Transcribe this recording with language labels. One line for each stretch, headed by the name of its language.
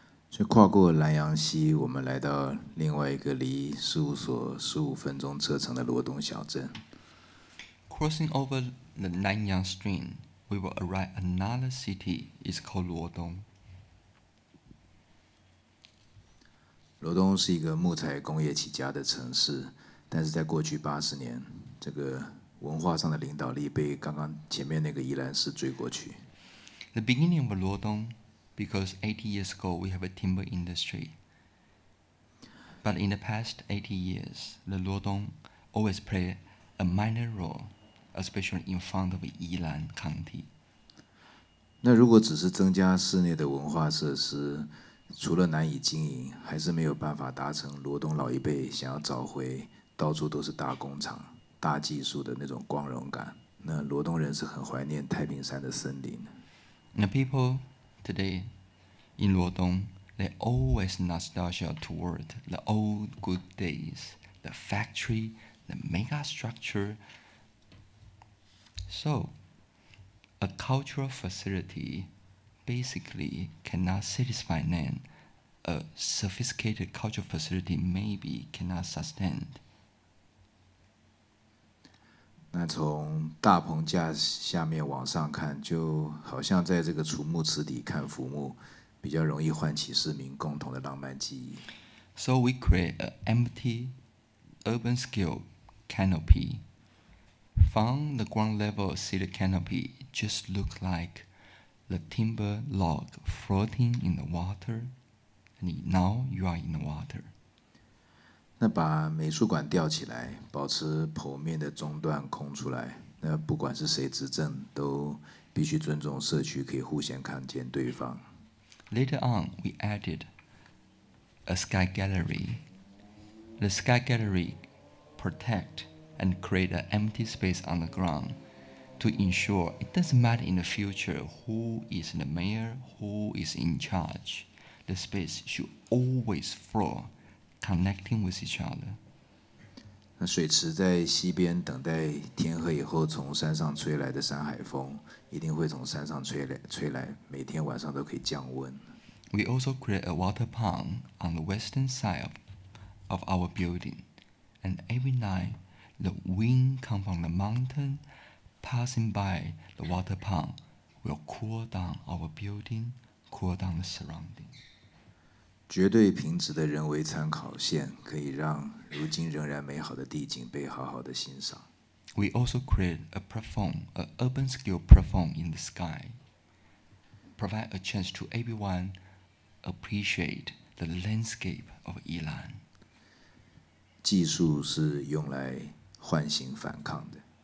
Chinese: 所以跨过南洋溪，我们来到另外一个离事务所15分钟车程的罗东小镇。
English: Crossing over the Nanyang Stream, we will arrive another city. It's called 罗东。
Chinese: 罗东是一个木材工业起家的城市，但是在过去80年，这个文化上的领导力被刚刚前面那个宜兰市追过去。
English: The beginning of 罗东。 Because 80 years ago, we have a timber industry. But in the past 80 years, the Luodong always played a minor role, especially in front of Yilan County.
Chinese: 那如果只是增加室内的文化设施，除了难以经营，还是没有办法达成罗东老一辈想要找回到处都是大工厂、大技术的那种光荣感。那罗东人是很怀念太平山的森林。
English: The people... Today, in Luodong, they always nostalgia toward the old good days, the factory, the mega structure. So, a cultural facility basically cannot satisfy them. A sophisticated cultural facility maybe cannot sustain.
Chinese: 那从大棚架下面往上看，就好像在这个楚墓池底看浮木，比较容易唤起市民共同的浪漫记忆。
English: So we create an empty urban scale canopy. From the ground level, see the canopy just look like the timber log floating in the water. And now you are in the water.
Chinese: 那把美术馆吊起来，保持剖面的中段空出来。那不管是谁执政，都必须尊重社区，可以互相看见对方。
English: Later on, we added a sky gallery. The sky gallery protect and create an empty space on the ground to ensure it doesn't matter in the future who is the mayor, who is in charge, the space should always flow, connecting with each other.
Chinese: 那水池在西边等待天黑以后从山上吹来的山海风一定会从山上吹来每天晚上都可以降温。
English: We also create a water pond on the western side of our building, and every night, the wind come from the mountain, passing by the water pond, will cool down our building, cool down the surrounding.
Chinese: 绝对平直的人为参考线，可以让如今仍然美好的地景被好好的欣赏。
English: We also create a platform, an urban scale platform in the sky, provide a chance to everyone. Appreciate the landscape of Yilan.
Chinese: 技术是用来唤醒反抗的。